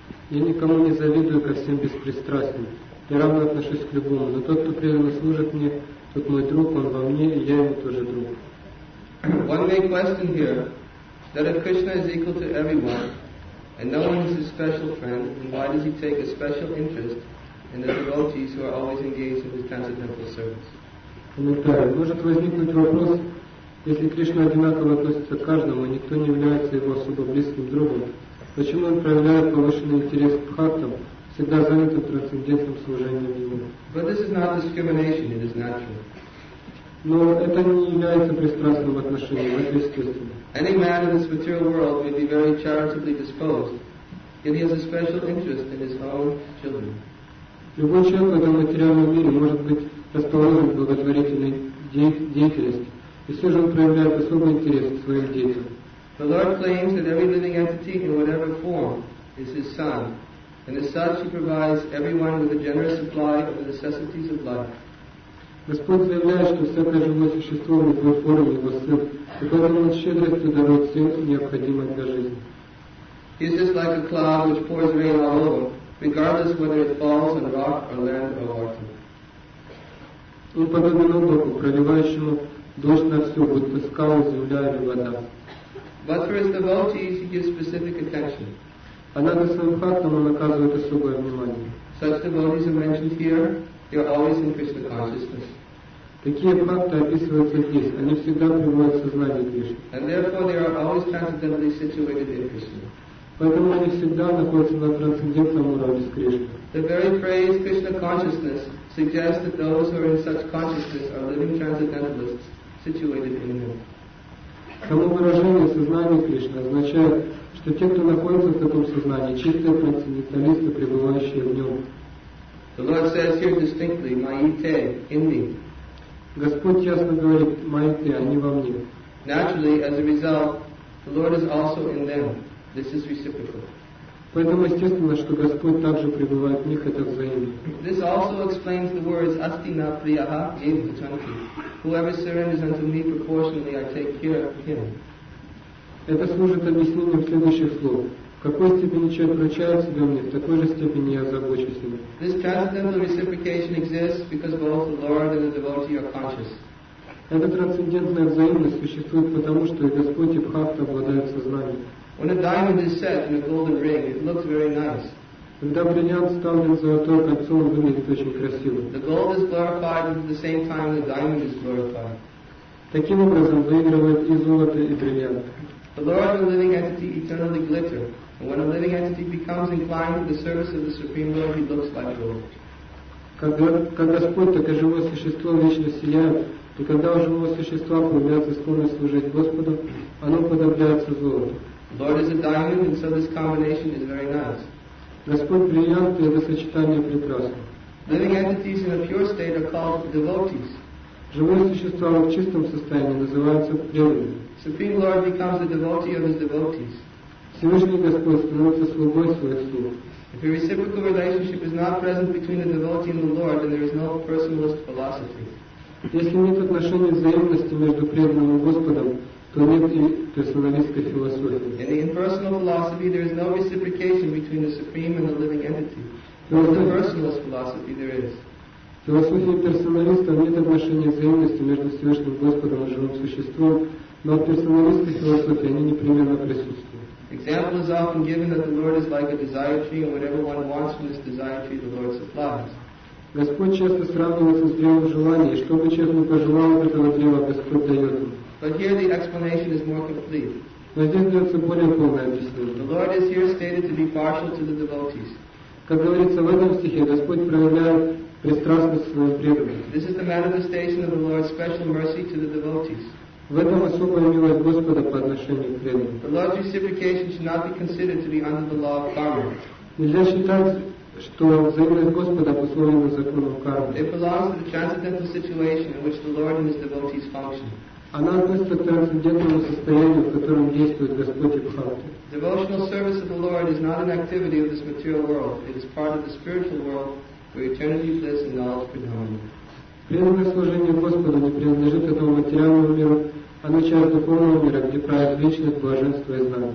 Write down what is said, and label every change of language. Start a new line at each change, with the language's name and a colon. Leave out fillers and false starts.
Russian: Я никому не завидую, ко всем беспристрастен. Я равно отношусь к любому. Но тот, кто преданно служит мне, тот мой друг, он во мне, и я ему тоже друг.
English: One may question here, that if Krishna is equal to everyone, and no one is his special friend, then why does he take a special interest and the devotees who are always engaged in his transcendental service.
Russian: Комментарий. Может возникнуть вопрос, если Кришна одинаково относится к каждому, и никто не является его особо близким другом, почему он проявляет повышенный интерес к бхактам, всегда занятым трансцендентным служением ему?
English: But this is not discrimination, it is natural.
Russian: Но это не является пристрастным отношением, это естественно.
English: Any man in this material world may be very charitably disposed, yet he has a special interest in his own children.
Russian: Любой человек в этом материальном мире может быть расположен к благотворительной деятельности, и все же он проявляет особый интерес к своим детям.
English: The Lord claims that every living entity in whatever form is his son, and as such he provides everyone with a generous supply of the necessities of life.
Russian: Господь заявляет, что всякое живое существо в любой форме его сын, и поэтому он щедростью дарует все необходимое для жизни.
English: He is just like a cloud which pours rain all over, regardless whether it falls on rock or land or water.
Russian: Он подобен облаку, проливающему дождь на все, будь то скалы, земля или вода.
English: But for his devotees, he gives specific attention.
Russian: Однако своим бхактам он оказывает особое внимание.
English: Such devotees are mentioned here, they are always in Krishna consciousness.
Russian: Такие бхакты описываются здесь, они всегда пребывают в сознании Кришны.
English: And therefore they are always transcendently situated in Krishna.
Russian: Поэтому они всегда находятся на трансцендентном уровне с Кришной.
English: The very phrase Krishna consciousness suggests that those who are in such consciousness are living transcendentalists situated in him.
Russian: Само выражение сознания Кришны означает, что те, кто находится в таком сознании, чистые трансценденталисты, пребывающие в нем.
English: The Lord says here distinctly, Maite, in me.
Russian: Господь ясно говорит, Maite, они во мне.
English: Naturally, as a result, the Lord is also in them. This is reciprocal.
Russian: Поэтому естественно, что Господь также пребывает в них, это взаимно.
English: This also explains the words asti na priyaha eva jantī. Whoever surrenders unto me proportionally, I take care of him.
Russian: Это служит объяснением следующих слов. В какой степени человек вручает себя мне, в такой же степени я забочусь о нем.
English: This transcendental reciprocation exists because both the Lord and the devotee are conscious.
Russian: Эта трансцендентная взаимность существует потому, что и Господь, и Бхакта обладают сознанием.
English: When a diamond is set in a golden ring, it looks very nice.
Russian: Когда бриллиант вставлен в золотое кольцо, он выглядит очень красиво.
English: The gold is glorified at the same time the diamond is glorified.
Russian: Таким образом выигрывает и золото, и бриллиант.
English: The Lord and living entity eternally glitter, and when a living entity becomes inclined to the service of the Supreme Lord, he looks like gold.
Russian: Как Господь, так и живое существо вечно сияют, и когда у живого существа появляется склонность служить Господу, оно подобляется золоту.
English: The Lord is a diamond, and so this combination is very nice.
Russian: Господь бриллиант, и это сочетание прекрасно.
English: Living entities in a pure state are called devotees.
Russian: Живые существа в чистом состоянии называются преданными.
English: Supreme Lord becomes a devotee of his devotees.
Russian: Всевышний Господь становится слугой своих слуг.
English: If a reciprocal relationship is not present between the devotee and the Lord, then there is no personalist philosophy.
Russian: Если нет отношения взаимности между преданным и Господом, то нет и персоналистской философии.
English: In the impersonal philosophy, there is no reciprocation between the supreme and the living entity.
Russian: Но в персоналистской философии
English: there is.
Russian: В философии персоналиста нет отношения взаимности между Всевышним Господом и живым существом, но в персоналистской философии они непременно присутствуют.
English: Example is often given that the Lord is like a desire tree, and whatever one wants from this desire tree, the Lord supplies.
Russian: Господь часто сравнивается с древом желания, и что бы человек ни пожелал от этого древа, Господь дает ему.
English: But here the explanation is more complete.
Russian: Но здесь дается более полное объяснение.
English: The Lord is here stated to be partial to the devotees.
Russian: Как говорится в этом стихе, Господь проявляет пристрастность к своим преданным.
English: This is the manifestation of the Lord's special mercy to the devotees.
Russian: В этом особая милость Господа по отношению к преданным.
English: The Lord's reciprocation should not be considered to be under the law of karma.
Russian: Нельзя считать, что взаимность Господа обусловлена законом кармы.
English: It belongs to the transcendental situation in which the Lord and his devotees function.
Russian: Она относится к трансцендентному состоянию, в котором действует Господь и Бхакти.
English: Devotional service of the Lord is not an activity of this material world. It is part of the spiritual world where eternity bliss and knowledge predominate.
Russian: Преданное служение Господу не принадлежит этому материальному миру, а начало духовного мира, где правит вечность, блаженство и